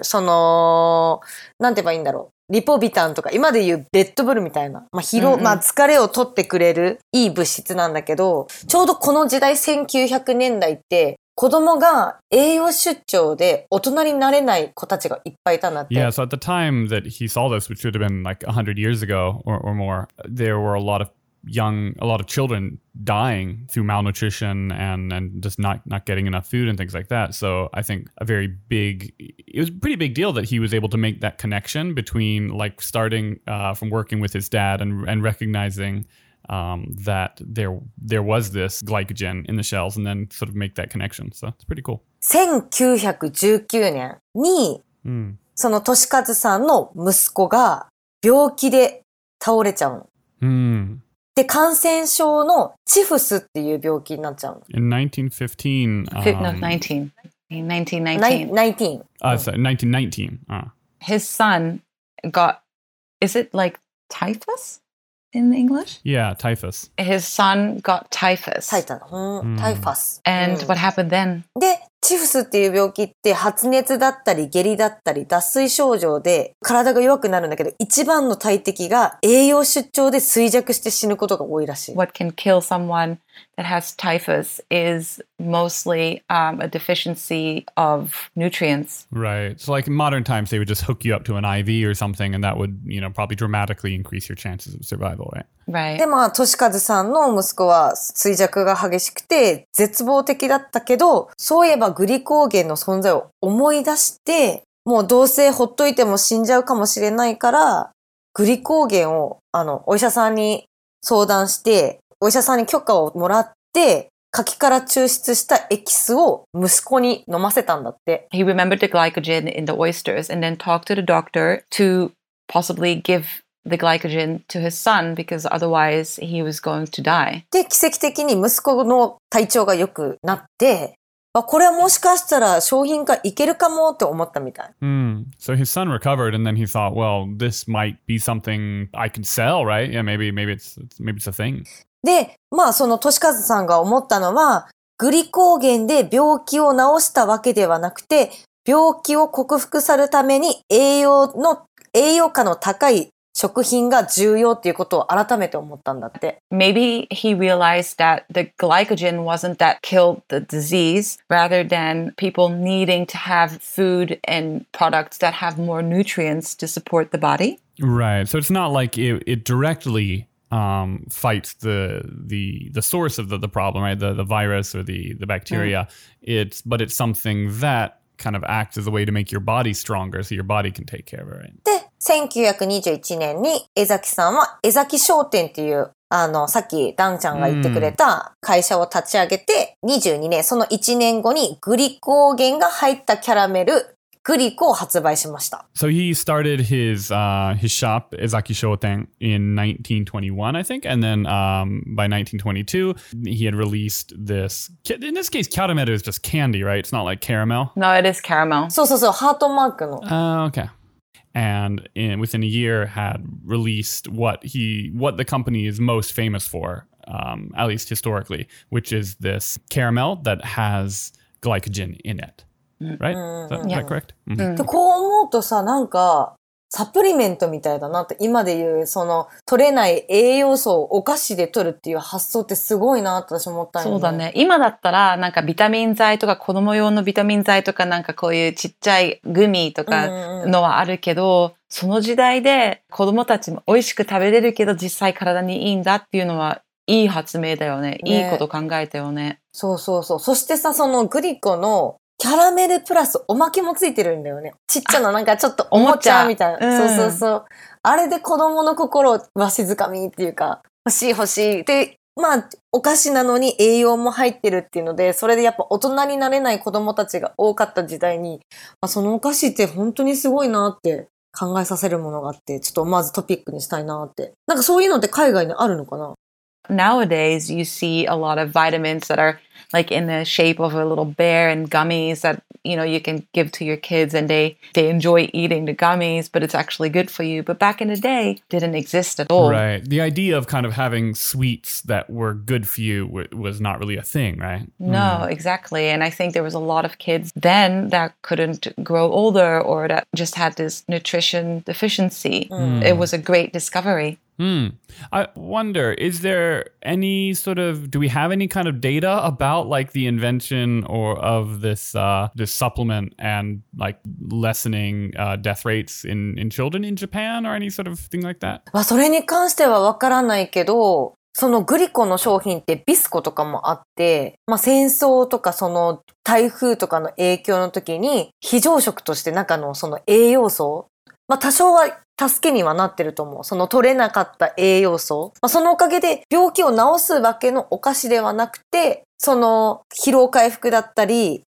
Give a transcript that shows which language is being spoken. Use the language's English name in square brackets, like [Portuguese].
[Japanese] なんて言えばいいんだろう。リポビタンとか、今で言うレッドブルみたいな。まあ、まあ、疲れを取ってくれるいい物質なんだけど、ちょうどこの時代、1900年代って、子供が栄養出張で大人になれない子たちがいっぱいいたんだって。 [English] Yeah, so at the time that he saw this, which would have been like 100 years ago or more, there were a lot of young, a lot of children dying through malnutrition and just not getting enough food and things like that. So I think it was a pretty big deal that he was able to make that connection between like starting from working with his dad and recognizing that there was this glycogen in the shells and then sort of make that connection. So it's pretty cool. [Japanese] 1919年に、その利勝さんの息子が病気で倒れちゃう。で、感染症のチフスっていう病気になっちゃう。 [English] In 1919. His son got, is it like typhus? In English? Yeah, typhus. His son got typhus. Typhus. And what happened then? [Japanese] で、チフスっていう病気って発熱だったり下痢だったり脱水症状で体が弱くなるんだけど、一番の大敵が栄養失調で衰弱して死ぬことが多いらしい。 [English] What can kill someone that has typhus is mostly a deficiency of nutrients. Right. So like in modern times, they would just hook you up to an IV or something and that would, you know, probably dramatically increase your chances of survival, right? Right. [Japanese] で、まあ、トシカズさんの息子は衰弱が激しくて絶望的だったけど、そういえばグリコーゲンの存在を思い出して、もうどうせほっといても死んじゃうかもしれないから、グリコーゲンをお医者さんに相談して、お医者さんに許可をもらって、柿から抽出したエキスを息子に飲ませたんだって。 [English] He remembered the glycogen in the oysters and then talked to the doctor to possibly give the glycogen to his son because otherwise he was going to die. [Japanese] で、奇跡的に息子の体調が良くなって、これはもしかしたら商品化いけるかもって思ったみたい。 [English] So his son recovered and then he thought, well, this might be something I can sell, right? Yeah, maybe it's a thing. [Japanese] で、まあその利勝さんが思ったのは、グリコーゲンで病気を治したわけではなくて、病気を克服するために栄養価の高い食品が重要っていうことを改めて思ったんだって。 [English] Maybe he realized that the glycogen wasn't that killed the disease, rather than people needing to have food and products that have more nutrients to support the body. Right. So it's not like it directly fights the source of the problem, right? The virus or the bacteria. Mm. It's something that kind of acts as a way to make your body stronger, so your body can take care of it. Right? [Japanese] で1921年に江崎さんは江崎商店っていうさっきダンちゃんが言ってくれた会社を立ち上げて、22年その1年後にグリコーゲンが入ったキャラメルグリコを発売しました。 [English] So he started his shop 江崎商店 in 1921 I think, and then by 1922 he had released this. In this case, キャラメル is just candy, right? It's not like caramel. No, it is caramel. [Japanese] そうそうそう、ハートマークの。 [English] Okay. And within a year had released what the company is most famous for, at least historically, which is this caramel that has glycogen in it. Right? Is that correct? [Japanese] とこう思うとさ、なんかサプリメントみたいだなって、今で言うその取れない栄養素をお菓子で取るっていう発想ってすごいなって私思ったよね。そうだね。今だったらなんかビタミン剤とか子供用のビタミン剤とかなんかこういうちっちゃいグミとかのはあるけど、その時代で子供たちも美味しく食べれるけど実際体にいいんだっていうのはいい発明だよね。いいこと考えたよね。そうそうそう。そしてさ、そのグリコのキャラメルプラスおまけもついてるんだよね。ちっちゃななんかちょっとおもちゃみたいな。そうそうそう。あれで子供の心をわしづかみっていうか、欲しい欲しい。で、まあ、お菓子なのに栄養も入ってるっていうので、それでやっぱ大人になれない子供たちが多かった時代に、まあ、そのお菓子って本当にすごいなって考えさせるものがあって、ちょっとまずトピックにしたいなって。なんかそういうのって海外にあるのかな？ [English] Nowadays, you see a lot of vitamins that are... like in the shape of a little bear and gummies that, you know, you can give to your kids and they enjoy eating the gummies, but it's actually good for you. But back in the day, didn't exist at all. Right. The idea of kind of having sweets that were good for you was not really a thing, right? No, exactly. And I think there was a lot of kids then that couldn't grow older or that just had this nutrition deficiency. It was a great discovery. I wonder, is there any sort of, do we have any kind of data about like the invention or of this, this supplement and like lessening, death rates in children in Japan or any sort of thing like that? [Japanese] まあ、それに関してはわからないけど、そのグリコの商品ってビスコとかもあって、まあ、戦争とかその台風とかの影響の時に非常食として中のその栄養素、まあ、多少は助けにはなってると思う。その取れなかった栄養素、まあ、そのおかげで病気を治すわけのお菓子ではなくて、その疲労回復だったり、